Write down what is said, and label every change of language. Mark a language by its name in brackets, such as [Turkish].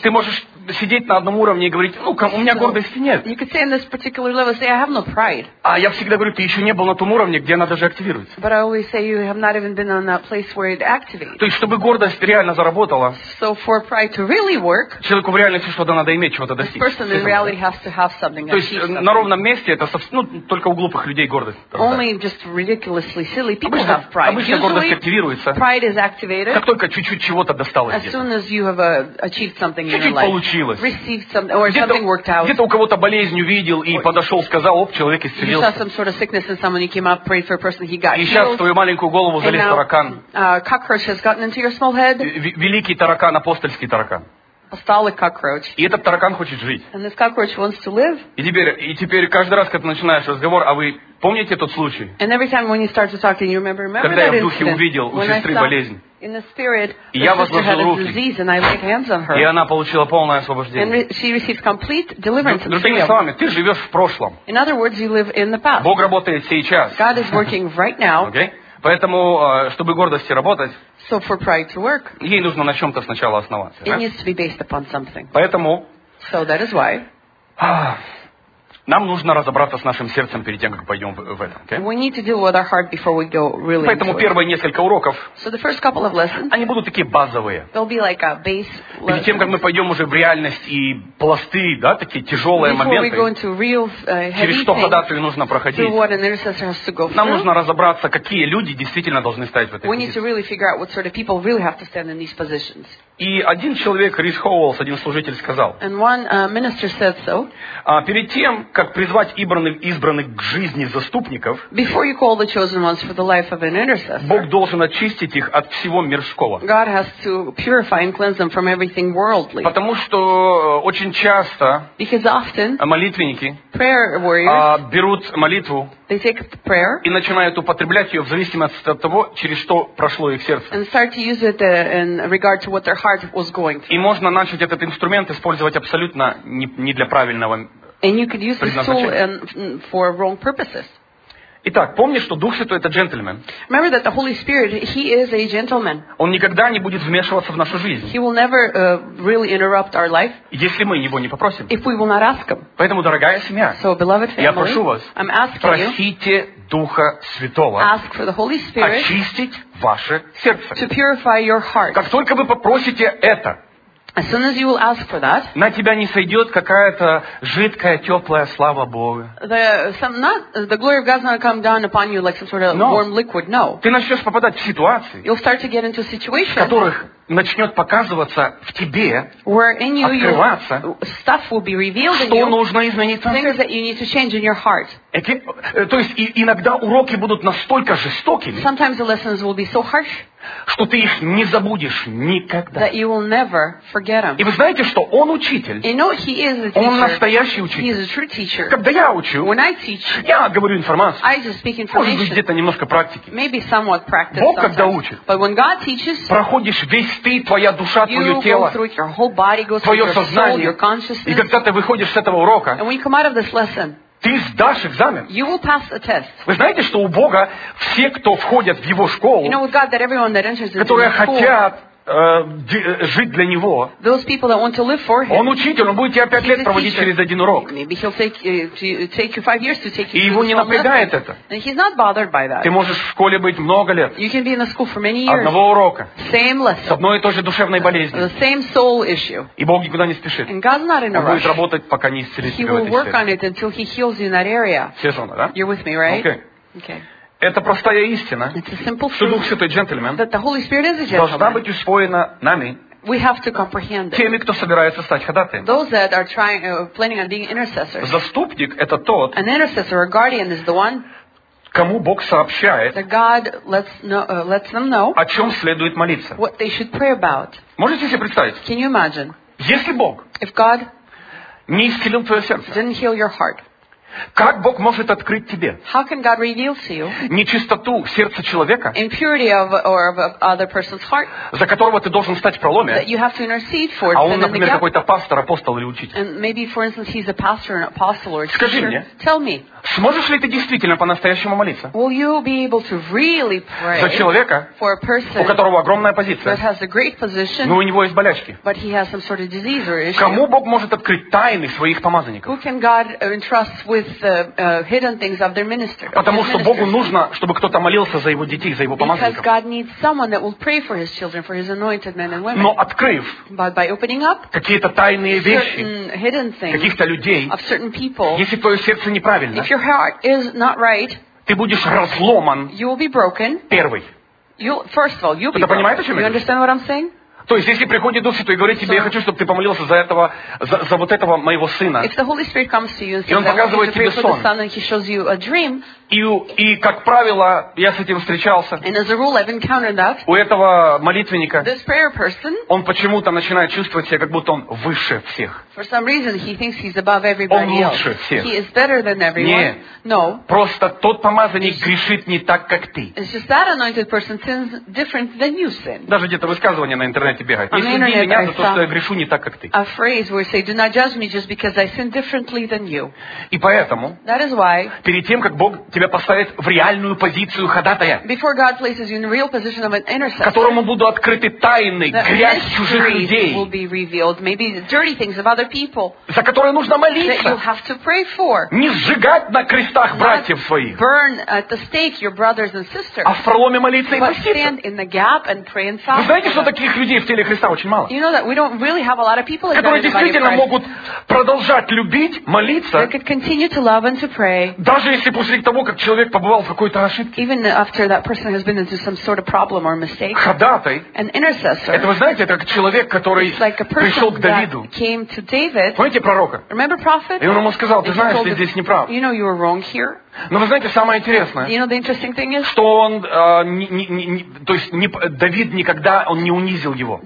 [Russian] Ты можешь сидеть на одном уровне и говорить, ну, у меня гордости нет. [English] You could say on this particular level, say, I have no pride. [Russian] А я всегда говорю, ты еще не был на том уровне, где она даже активируется. [English] But I always say you have not even been on that place where it activates. [Russian] То есть, чтобы гордость реально заработала, [English] so for pride to really work, [Russian] человеку в реальности что-то надо иметь, чего-то достичь. [English] This person in reality has to have something. [Russian] То есть, на ровном месте это ну, только у глупых людей гордость. [English] Only just ridiculously silly people have pride. [Russian] Обычно гордость активируется. [English] Pride is activated. [Russian] Как только чуть-чуть чего-то досталось. [English] As soon as you have achieved something [Russian] чуть-чуть [English] in your life, [Russian] получилось. [English] Received something or something worked out. [Russian] Где-то у кого-то болезнь увидел и подошел, сказал, оп, человек исцелился. [English] You saw some sort of sickness in someone, you came up, prayed for a person, he got healed. [Russian] И сейчас в твою маленькую голову залез [English] now, [Russian] таракан. [English] Cockroach has gotten into your small head. [Russian] Великий таракан, апостольский таракан. [English] Apostolic cockroach. [Russian] И этот таракан хочет жить. [English] And this cockroach wants to live. [Russian] И теперь каждый раз, когда начинаешь разговор, а вы помните тот случай? [English] And every time when you start to talk, you remember [Russian] когда [English] that [Russian] я в духе [English] incident, [Russian] увидел у сестры [English] saw... [Russian] болезнь. [English] In the spirit, [Russian] и я возложил руки, и она получила полное освобождение. [English] She received complete deliverance. [Russian] Другими словами, ты живешь в прошлом. [English] In other words, you live in the past. [Russian] Бог работает сейчас. [English] God is working right now. Okay? [Russian] Поэтому, чтобы гордости работать, [English] so for pride to work, [Russian] ей нужно на чем-то сначала основаться. [English] It needs to be based upon something. [Russian] Поэтому, [English] so that is why, [Russian] нам нужно разобраться с нашим сердцем перед тем, как пойдем в это. [English] Okay? We need to deal with our heart before we go really. [Russian] Поэтому [English] into [Russian] первые [English] it. [Russian] Несколько уроков. [English] So the first couple of lessons. [Russian] Они будут такие базовые. [English] They'll be like a base. [Russian] Перед тем, как мы пойдем уже в реальность и пласты, да, такие тяжелые [English] before [Russian] моменты. [English] We go into real, [Russian] через что ходатаю нужно проходить. [English] What an intercessor has to go [Russian] нам нужно разобраться, какие люди действительно должны стоять в этой [English] позиции. We need to really figure out what sort of people really have to stand in these positions. [Russian] И один человек, Рис Хоуэллс, один служитель сказал. [English] And one minister said so. [Russian] Перед тем, как призвать избранных к жизни заступников, [English] before you call the chosen ones for the life of an intercessor, [Russian] Бог должен очистить их от всего мирского. [English] God has to purify and cleanse them from everything worldly. [Russian] Потому что очень часто [English] because often [Russian] молитвенники [English] prayer warriors [Russian] берут молитву [English] they take prayer [Russian] и начинают употреблять ее в зависимости от того, через что прошло их сердце. [English] And start to use it in regard to what their heart was going through. [Russian] И можно начать этот инструмент использовать абсолютно не для правильного [English] and you could use this tool and for wrong purposes. [Russian] Итак, помни, что Дух Святой это джентльмен. [English] Remember that the Holy Spirit, he is a gentleman. [Russian] Он никогда не будет вмешиваться в нашу жизнь. [English] He will never really interrupt our life. [Russian] Если мы его не попросим. [English] If we will not ask him. [Russian] Поэтому, дорогая семья, [English] so, beloved family, [Russian] я прошу вас, [English] I'm asking [Russian] просите [English] you, [Russian] Духа Святого [English] ask for the Holy Spirit [Russian] очистить ваше сердце. [English] To purify your heart. [Russian] Как только вы попросите это, [English] as soon as you will ask for that, [Russian] на тебя не сойдет какая-то жидкая, теплая слава Бога. [English] The glory of God's not come down upon you like some sort of no. Warm liquid. No. [Russian] Ты начнешь попадать в ситуации, [English] you'll start to get into situations, [Russian] в которых начнет показываться в тебе, [English] where in you, [Russian] открываться, [English] you, stuff will be revealed [Russian] что [English] in you, [Russian] нужно измениться. [English] Things that you need to change in your heart. [Russian] То есть иногда уроки будут настолько жестокими, [English] sometimes the lessons will be so harsh, [Russian] что ты их не забудешь никогда. [English] That you will never forget them. [Russian] И вы знаете, что он учитель. [English] You know, he is a teacher. [Russian] Он настоящий учитель. [English] He is a true teacher. [Russian] Когда я учу, [English] when I teach, [Russian] я говорю информацию. [English] I just speak information. [Russian] Может быть, где-то немножко практики. [English] Maybe somewhat practice. [Russian] Бог когда учит, [English] but when God teaches, [Russian] проходишь весь ты, твоя душа, твое тело, твое сознание. [English] Soul, [Russian] и когда ты выходишь с этого урока, [English] and when you come out of this lesson, [Russian] ты сдашь экзамен. [English] You will pass the test. [Russian] Вы знаете, что у Бога все, кто входят в Его школу, [English] you know, with God, that everyone that enters into [Russian] которые [English] school, [Russian] хотят жить для Него, [English] those people that want to live for him, [Russian] Он учитель, Он будет тебя пять лет проводить через один урок. [English] Maybe he'll take you 5 years to take you [Russian] и Его не напрягает это. [English] And he's not bothered by that. [Russian] Ты можешь в школе быть много лет. [English] You can be in the school for many years. [Russian] Одного урока. [English] Same lesson. [Russian] С одной и той же душевной болезнью. [English] The same soul issue. [Russian] И Бог никуда не спешит. [English] And God's not in a [Russian] Он [English] rush. [Russian] Будет работать, пока не исцелит тебя в этой [English] сфере. He will work on it until he heals you in that area. [Russian] Сезона, да? [English] You're with me, right? Okay. Okay. [Russian] Это простая истина, [English] truth, [Russian] что Дух Святой джентльмен [English] that the Holy Spirit is a gentleman, [Russian] должна быть усвоена нами [English] We have to comprehend it. [Russian] Теми, кто собирается стать ходатаем. [English] Those that are trying, planning on being intercessors. [Russian] Заступник – это тот, [English] an intercessor or guardian is the one, [Russian] кому Бог сообщает, [English] that God lets them know, [Russian] о чем следует молиться. [English] What they should pray about. [Russian] Можете себе представить? [English] Can you imagine? [Russian] Если Бог, [English] if God, [Russian] не исцелил твое сердце, [English] didn't heal your heart, [Russian] как Бог может открыть тебе [English] how can God reveal to you [Russian] нечистоту сердца человека, [English] impurity of, or of other person's heart, [Russian] за которого ты должен стать проломе, [English] that you have to intercede for, [Russian] а он, например, какой-то пастор, апостол или учитель? Скажи мне, [English] tell me, [Russian] сможешь ли ты действительно по-настоящему молиться [English] will you be able to really pray [Russian] за человека, [English] for a person, [Russian] у которого огромная позиция, [English] that has a great position, [Russian] но у него есть болячки? [English] But he has some sort of disease or issue. [Russian] Кому Бог может открыть тайны своих помазанников? [English] Who can God entrust with the hidden things of their minister. [Russian] Потому что Богу нужно, чтобы кто-то молился за его детей, за его помазанников. [English] Because God needs someone that will pray for his children, for his anointed men and women. [Russian] Но открыв, [English] but by opening up, [Russian] какие-то тайные вещи, [English] hidden things, [Russian] каких-то людей, [English] of certain people, [Russian] если твое сердце неправильно, [English] if your heart is not right, [Russian] ты будешь разломан, [English] you will be broken, [Russian] первый. [English] First of all, you'll be broken. Do you understand what I'm saying? [Russian] То есть, если приходит Дух Святой и говорит тебе, я хочу, чтобы ты помолился за этого, за вот этого моего сына, [English] says, [Russian] и он показывает тебе сон, [English] dream, [Russian] и, как правило, я с этим встречался, [English] rule, that, [Russian] у этого молитвенника, [English] person, [Russian] он почему-то начинает чувствовать себя, как будто он выше всех. [English] Reason, he [Russian] он лучше всех. Нет. No. Просто тот помазанник грешит не так, как ты. Даже где-то высказывание на интернете. [English] A phrase where you say, "Do not judge me just because I sin differently than you." [Russian] И поэтому. [English] That is why. [Russian] Перед тем, как Бог тебя поставит в реальную позицию ходатая. [English] Before God places you in the real position of an intercessor. [Russian] Которому будут открыты тайны, грязь чужих людей. [English] Will be revealed, maybe the dirty things of other people. [Russian] За которые нужно молиться. [English] That you have to pray for. [Russian] Не сжигать на крестах братьев своих. [English] Burn at the stake your brothers and sisters. [Russian] А в проломе молиться и поститься. [English] But stand in the gap and pray and fast. [Russian] Вы знаете, что таких людей в теле Христа очень мало. [English] You know that we don't really have a lot of people, [Russian] которые действительно могут продолжать любить, молиться, [English] they could continue to love and to pray, [Russian] даже если после того, как человек побывал в какой-то ошибке. [English] Even after that person has been into some sort of problem or mistake. [Russian] Ходатай. [English] An intercessor. [Russian] Это, вы знаете, это как человек, который [English] like [Russian] пришел к Давиду. [English] Came to David. [Russian] Помните пророка? [English] Remember prophet? [Russian] И он ему сказал: ты знаешь, ты здесь неправ. [English] You know you were wrong here. [Russian] Но вы знаете, самое интересное, [English] you know, the interesting thing is, [Russian] что он, то есть не, Давид никогда он не унизил его.